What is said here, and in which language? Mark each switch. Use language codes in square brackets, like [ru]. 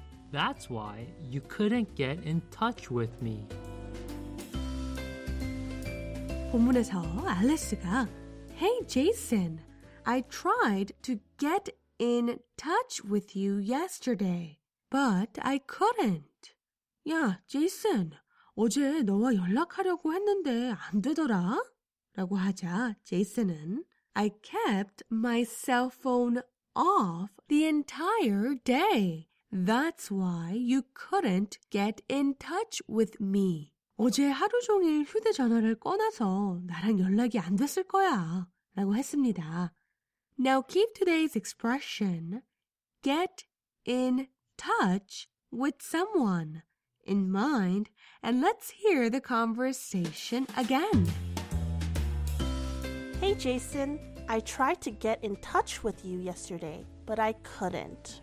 [en] That's why you couldn't get in touch with me. [ko] 본문에서 알리스가 [en] Hey, Jason. I tried to get in touch with you yesterday, but I couldn't. [ko] 야, Jason. 어제 너와 연락하려고 했는데 안 되더라? 라고 하자 제이슨은 [en] I kept my cell phone off the entire day. That's why you couldn't get in touch with me. [ko] 어제 하루 종일 휴대전화를 꺼놔서 나랑 연락이 안 됐을 거야 라고 했습니다. [en] Now keep today's expression, get in touch with someone, in mind, and let's hear the conversation again. Hey Jason, I tried to get in touch with you yesterday, but I couldn't.